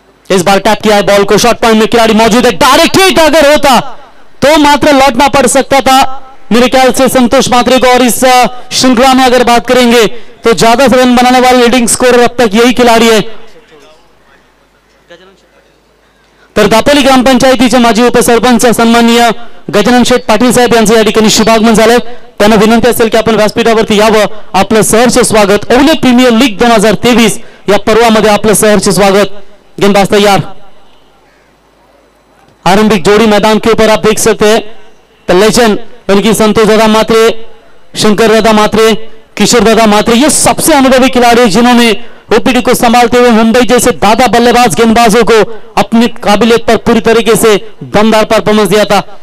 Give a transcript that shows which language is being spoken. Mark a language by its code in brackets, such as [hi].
[hi] इस बार टैप किया है बॉल को, शॉर्ट पॉइंट में खिलाड़ी मौजूद है, डायरेक्ट हिट अगर होता तो मात्र लौटना पड़ सकता था मेरे ख्याल से संतोष मात्रे को। और इस श्रृंखला में अगर बात करेंगे तो ज्यादा से रन बनाने वाले लीडिंग स्कोरर अब तक यही खिलाड़ी है। [mr] तर दापोली ग्राम पंचायतीच्या माजी उपसरपंच सन्माननीय गजानन शेठ पाटील साहेब यांचं या ठिकाणी शुभागमन झालंय, त्यांना विनंती असेल की आपण व्यासपीठावरती यावं, आपलं सहर्ष स्वागत ओवले प्रीमियर लीग 2023 या पर्वामध्ये आपलं सहर्ष स्वागत। [hi] गेंदबाज तयार, आरंभिक जोड़ी मैदान के ऊपर आप देख सकते हैं, लेजेंड उनकी संतोष दादा मात्रे, शंकर दादा मात्रे, किशोर दादा मात्रे, ये सबसे अनुभवी खिलाड़ी है जिन्होंने ओपीडी को संभालते हुए मुंबई जैसे दादा बल्लेबाज गेंदबाजों को अपनी काबिलियत पर पूरी तरीके से दमदार परफॉर्मेंस दिया था।